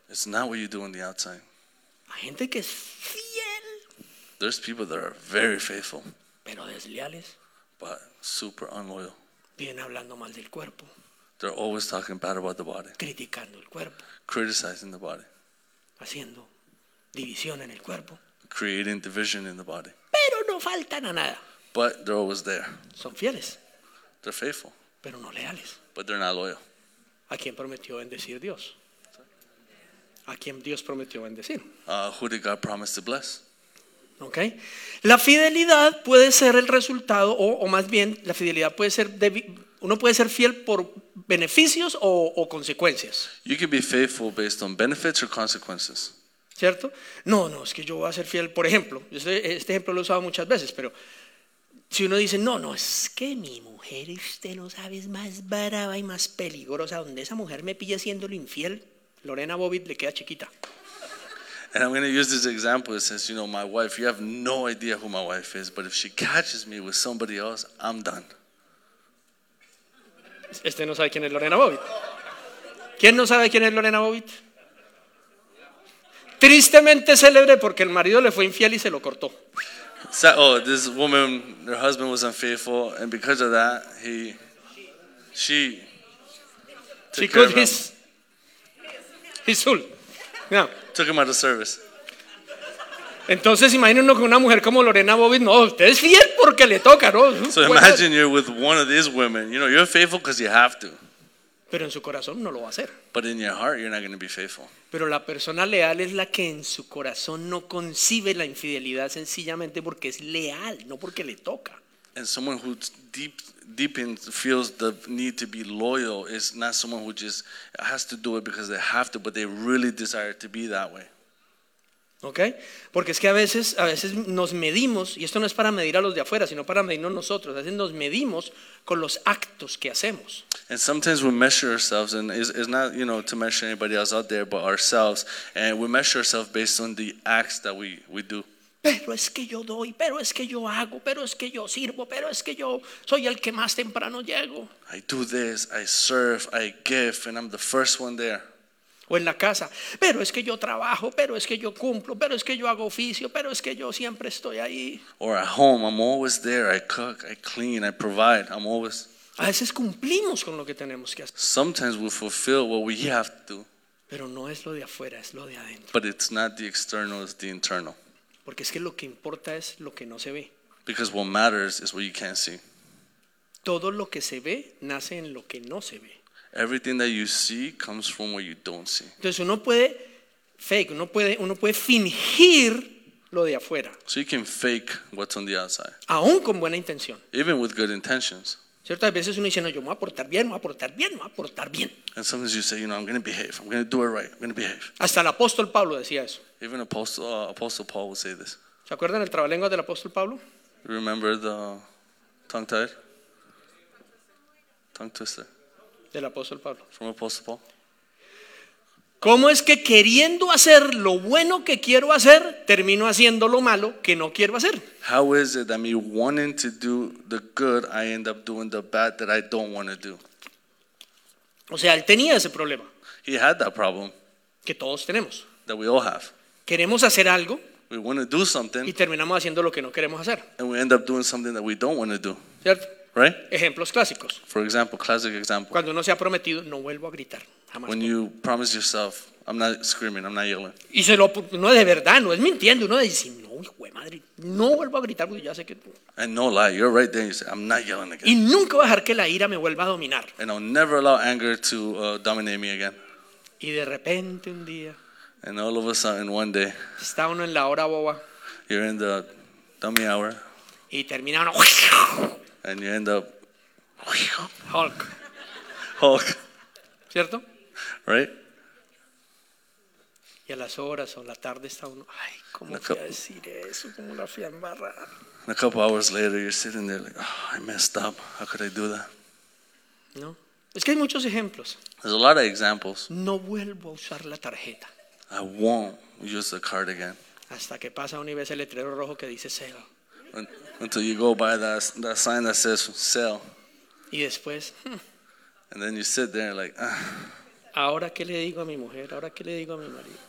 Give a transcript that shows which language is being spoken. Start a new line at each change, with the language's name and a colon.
English: It's not what you do on the outside.
Spanish: Hay gente que es fiel.
English: There's people that are very faithful.
Spanish: Pero desleales.
English: But super unloyal.
Spanish: Vienen hablando mal del cuerpo.
English: They're always talking bad about the body.
Spanish: Criticando el cuerpo.
English: Criticizing the body.
Spanish: Haciendo división en el cuerpo.
English: Creating division in the body.
Spanish: Pero no faltan a nada.
English: But they're always there.
Spanish: Son fieles.
English: They're faithful.
Spanish: Pero no leales.
English: But they're not loyal.
Spanish: ¿A quién prometió bendecir Dios? ¿A quién Dios prometió bendecir?
English: Who did God promise to bless? Okay.
Spanish: La fidelidad puede ser el resultado, o más bien, la fidelidad puede ser uno puede ser fiel por beneficios o consecuencias.
English: You can be faithful based on benefits or consequences.
Spanish: ¿Cierto? No, es que yo voy a ser fiel, por ejemplo, este ejemplo lo he usado muchas veces, pero si uno dice, no, es que mi mujer, usted no sabe, es más brava y más peligrosa, donde esa mujer me pilla haciéndolo infiel, Lorena Bobbitt le queda chiquita.
English: And I'm going to use this example that says, you know, my wife, you have no idea who my wife is, but if she catches me with somebody else, I'm done.
Spanish: Este no sabe quién es Lorena Bobbitt. ¿Quién no sabe quién es Lorena Bobbitt? Tristemente célebre porque el marido le fue infiel y se lo cortó.
English: So, this woman, her husband was unfaithful, and because of that, she cut his soul. Yeah. Took him out of service.
Spanish: Entonces imagínense con una mujer como Lorena Bobbitt, no, usted es fiel porque le toca, ¿no?
English: So imagine you're with one of these women, you know, you're faithful because you have to.
Spanish: Pero en su corazón no lo va a hacer.
English: But in your heart you're not going to be faithful.
Spanish: Pero la persona leal es la que en su corazón no concibe la infidelidad sencillamente porque es leal, no porque le toca.
English: And someone who deep in feels the need to be loyal is not someone who just has to do it because they have to, but they really desire to be that way. Okay?
Spanish: Porque es que a veces nos medimos, y esto no es para medir a los de afuera, sino para medirnos nosotros. A veces nos medimos con los actos que hacemos.
English: And sometimes we measure ourselves, and it's not, you know, to measure anybody else out there, but ourselves, and we measure ourselves based on the acts that we do.
Spanish: Pero es que yo doy, pero es que yo hago, pero es que yo sirvo, pero es que yo soy el que más temprano llego.
English: I do this, I serve, I give, and I'm the first one there.
Spanish: O en la casa, pero es que yo trabajo, pero es que yo cumplo, pero es que yo hago oficio, pero es que yo siempre estoy ahí.
English: Or at home, I'm always there, I cook, I clean, I provide, I'm always.
Spanish: A veces cumplimos con lo que tenemos que hacer.
English: Sometimes we fulfill what we have to do.
Spanish: Pero no es lo de afuera, es lo de adentro.
English: But it's not the external, it's the internal.
Spanish: Porque es que lo que importa es lo que no se ve.
English: Because what matters is what you can't see.
Spanish: Todo lo que se ve nace en lo que no se ve.
English: Everything that you see comes from what you don't see.
Spanish: Entonces uno puede fake, uno puede fingir lo de afuera.
English: So you can fake what's on the outside.
Spanish: Aún con buena intención.
English: Even with good intentions.
Spanish: Ciertas veces uno dice, no, yo me voy a portar bien, me voy a portar bien.
English: And sometimes you say, you know, I'm going to behave, I'm going to do it right, I'm going to behave.
Spanish: Hasta el apóstol Pablo decía eso.
English: Even apostle Paul would say this.
Spanish: ¿Se acuerdan el trabalenguas del apóstol Pablo?
English: Remember the tongue tied? Tongue twister.
Spanish: Del apóstol Pablo.
English: From apostle Paul.
Spanish: ¿Cómo es que queriendo hacer lo bueno que quiero hacer, termino haciendo lo malo que no quiero hacer?
English: How is it that me wanting to do the good, I end up doing the bad that I don't want to do?
Spanish: O sea, él tenía ese problema.
English: He had that problem.
Spanish: Que todos tenemos.
English: That we all have.
Spanish: Queremos hacer algo.
English: We want to do something.
Spanish: Y terminamos haciendo lo que no queremos hacer.
English: And we end up doing something that we don't want to do.
Spanish: ¿Cierto?
English: Right?
Spanish: Ejemplos clásicos.
English: For example, classic example.
Spanish: Cuando uno se ha prometido, no vuelvo a gritar.
English: When you promise yourself, I'm not screaming, I'm not yelling.
Spanish: Y se lo, no de verdad, no es mintiendo, uno dice, no, hijo de madre, no vuelvo a gritar porque ya sé que.
English: And no lie, you're right there, you say, I'm not yelling again.
Spanish: Y nunca voy a dejar que la ira me vuelva a dominar.
English: And I'll never allow anger to dominate me again.
Spanish: Y de repente un día.
English: And all of a sudden, one day.
Spanish: Está uno en la hora boba.
English: You're in the dummy hour.
Spanish: Y termina uno.
English: And you end up.
Spanish: Hulk.
English: Hulk.
Spanish: ¿Cierto?
English: Right.
Spanish: Y a las horas o la tarde está uno. Ay, cómo fui a decir eso, cómo la fui a embarrar.
English: A couple hours later, you're sitting there like, oh, I messed up. How could I do that?
Spanish: No, es que hay muchos ejemplos.
English: There's a lot of examples.
Spanish: No vuelvo a usar la tarjeta.
English: I won't use the card again.
Spanish: Hasta que pasa una vez el letrero rojo que dice sell.
English: Until you go by that sign that says sell.
Spanish: Y después.
English: And then you sit there like.
Spanish: Ahora qué le digo a mi mujer. Ahora qué le digo a mi marido.